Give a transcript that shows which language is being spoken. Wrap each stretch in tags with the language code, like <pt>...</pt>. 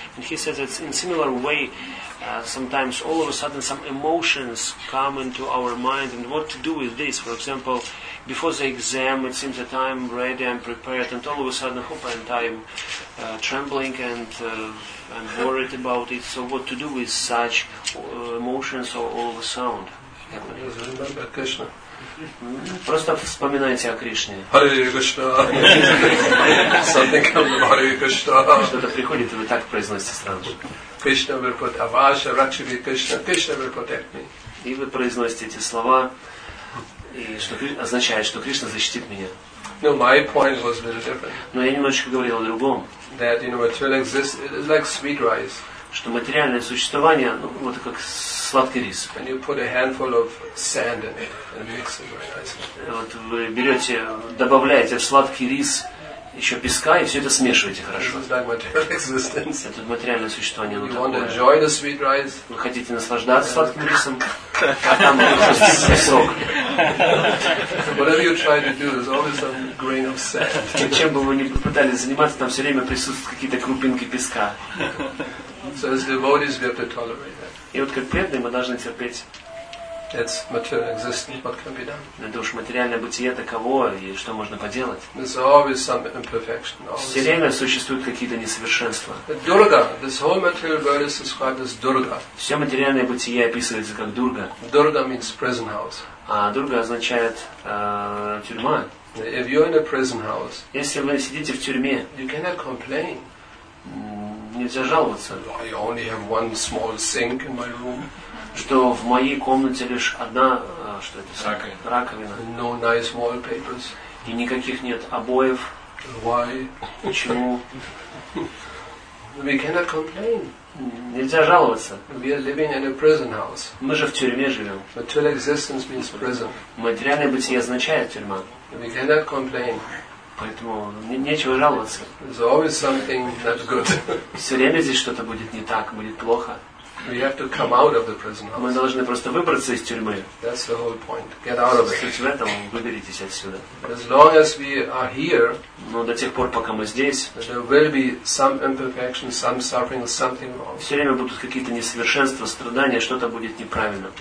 <en>And he says that in similar way, sometimes all of a sudden some emotions come into our mind, and what to do with this? For example, before the exam it seems that I'm ready, I'm prepared, and all of a sudden I'm trembling and I'm worried about it. So what to do with such emotions or all of a sudden happening?</en> <ru>Просто вспоминайте о Кришне. Харе Кришна. Что-то приходит, и вы так произносите сразу же.</ru> <en>Кришна will protect</en> <sa>Аваша, Ракшиви Кришна,</sa> <en>Кришна will protect me.</en> <ru>И вы произносите эти слова, и что означает, что Кришна защитит меня.</ru> <en>No, my point was a little different.</en> <ru>Но я немножечко говорил о другом.</ru> <en>That, you know, material exists, it is like sweet rice.</en> <ru>Что материальное существование, ну, вот как сладкий рис.</ru> <en>And you put a handful of sand in it and mix it very nicely.</en> <ru>Вот вы берете, добавляете в сладкий рис еще песка и все это смешиваете хорошо.</ru> <en>This is like material existence.</en> <ru>Это материальное существование, ну,</ru> <en>you want to enjoy the sweet rice.</en> <ru>Вы хотите наслаждаться сладким рисом, а там уже песок.</ru> <en>Whatever you try to do, there's always some grain of sand.</en> <ru>И чем бы вы ни пытались заниматься, там все время присутствуют какие-то крупинки песка.</ru> <en>So as devotees, we have to tolerate that.</en> <ru>И вот как преданные мы должны терпеть.</ru> <en>That's material existence, what can be done?</en> <ru>Это уж материальное бытие таково, и что можно поделать?</ru> <en>There's always some imperfection.</en> <ru>Все время существуют какие-то несовершенства.</ru> <sa>Дурга.</sa> <en>This whole material world is described as Дурга.</en> <ru>Все материальное бытие описывается как Дурга.</ru> <en>Дурга means prison house.</en> <ru>А Дурга означает тюрьма.</ru> <en>If you're in a prison house,</en> <ru>если вы сидите в тюрьме,</ru> <en>you cannot complain.</en> <ru>Нельзя жаловаться.</ru> <en>I only have one small sink in my room.</en> <ru>Что в моей комнате лишь одна что это раковина.</ru> <en>No nice wallpapers.</en> <ru>И никаких нет обоев.</ru> <en>Why?</en> <ru>Почему?</ru> <en>We cannot complain.</en> <ru>Нельзя жаловаться.</ru> <en>We are living in a prison house.</en> <ru>Мы же в тюрьме живем.</ru> <en>Material existence means prison.</en> <ru>Материальное бытие означает тюрьма.</ru> <en>We cannot complain.</en> <ru>Поэтому нечего жаловаться.</ru> <en>There's always something not good.</en> <ru>Все время здесь что-то будет не так, будет плохо.</ru> <en>We have to come out of the prison house.</en> <ru>Мы должны просто выбраться из тюрьмы.</ru> <en>That's the whole point. Get out of it.</en> <ru>Суть в этом, выберитесь отсюда.</ru> <en>As long as we are here,</en> <ru>но до тех пор, пока мы здесь,</ru> <en>there will be some imperfection, some suffering, something wrong.</en> <ru>Все время будут какие-то несовершенства, страдания, что-то будет неправильно.</ru>